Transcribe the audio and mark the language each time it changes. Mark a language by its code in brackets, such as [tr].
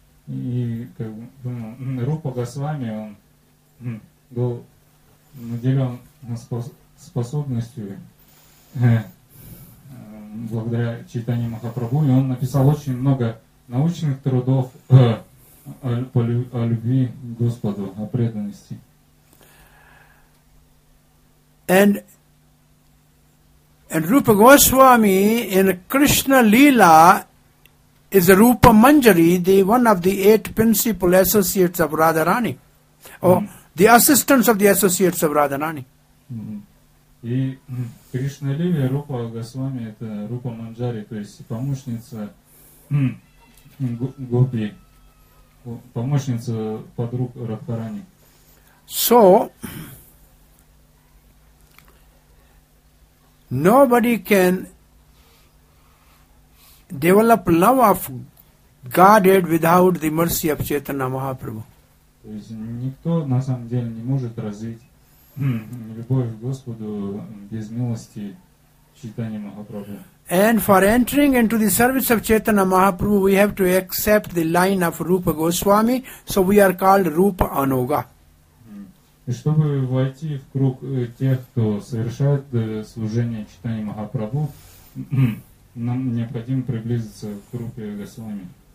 [ru] И как бы Рупа Госвами он был наделен способностью благодаря Чайтанья Махапрабху, и он написал очень много научных трудов о любви к Господу, о преданности. [en] And Rupa Goswami in Krishna Leela is Rupa Manjari, the one of the eight principal associates of Radharani, the assistants of the associates of Radharani. [ru] И Кришна Лила Рупа Госвами это Рупа Манджари, то есть помощница Гопи, помощница подруг Радхарани. [en] So nobody can develop love of Godhead without the mercy of Chaitanya Mahaprabhu. [ru] То есть никто на самом деле не может развить любовь к Господу без милости Чайтанья Махапрабху. [en] And for entering into the service of Chaitanya Mahaprabhu, we have to accept the line of Rupa Goswami, so we are called Rupa Anuga. [ru] И чтобы войти в круг тех, кто совершает служение Чайтанья Махапрабху, нам необходимо приблизиться к Рупе Госвами.